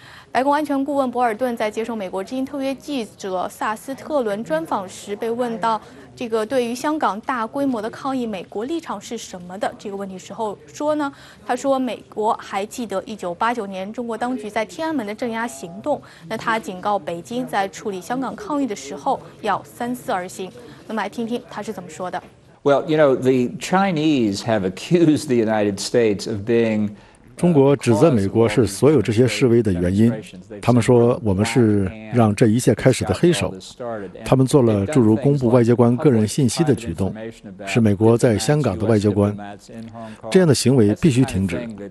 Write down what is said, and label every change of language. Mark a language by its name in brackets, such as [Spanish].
[Chinese] 白宫安全顾问博尔顿在接受美国之音特约记者萨斯特伦专访时，被问到这个对于香港大规模的抗议美国立场是什么的这个问题时候说呢，他说美国还记得1989年中国当局在天安门的镇压行动，那他警告北京在处理香港抗议的时候要三思而行。那么来听听他是怎么说的。 [English] Well, you know, the Chinese have accused the United States of being... [Chinese] 中国指责美国是所有这些示威的原因，他们说我们是让这一切开始的黑手，他们做了诸如公布外交官个人信息的举动，是美国在香港的外交官，这样的行为必须停止，